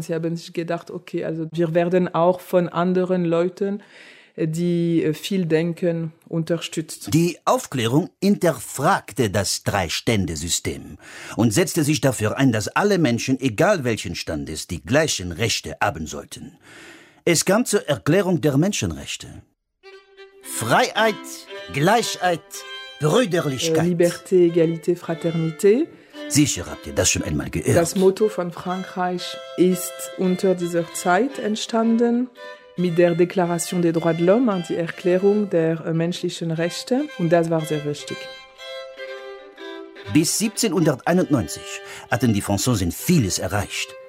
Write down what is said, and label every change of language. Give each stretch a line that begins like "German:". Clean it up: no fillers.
German: Sie haben sich gedacht, okay, also wir werden auch von anderen Leuten, die viel denken, unterstützt. Die Aufklärung hinterfragte das Drei-Stände-System und setzte sich dafür ein, dass alle Menschen, egal welchen Standes, die gleichen Rechte haben sollten. Es kam zur Erklärung der Menschenrechte. Freiheit, Gleichheit, Brüderlichkeit.
French: Liberté, Égalité, Fraternité.
German: Sicher habt ihr das schon einmal gehört. Das Motto von Frankreich ist unter dieser Zeit entstanden. Mit der Déclaration des droits de l'homme, die Erklärung der menschlichen Rechte. Und das war sehr wichtig. Bis 1791 hatten die Franzosen vieles erreicht.